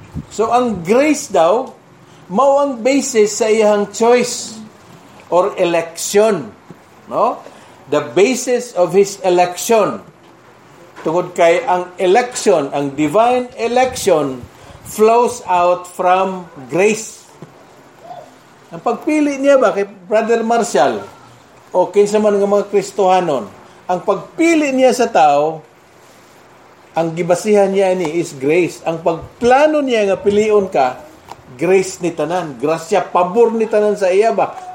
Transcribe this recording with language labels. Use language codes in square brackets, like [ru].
[ceb] So, ang grace daw, mao ang basis sa iyang [en] choice or election. [ceb] No? [en] The basis of His election. [ceb] Tungod kay ang [en] election, ang divine election, flows out from grace. [ceb] Ang pagpili niya ba kay Brother Marshall o kinsa man ng mga Kristohanon, ang pagpili niya sa tao, ang gibasihan niya ni is grace. Ang pagplano niya nga piliun ka, grace ni tanan, grasya, pabor ni tanan sa iya ba?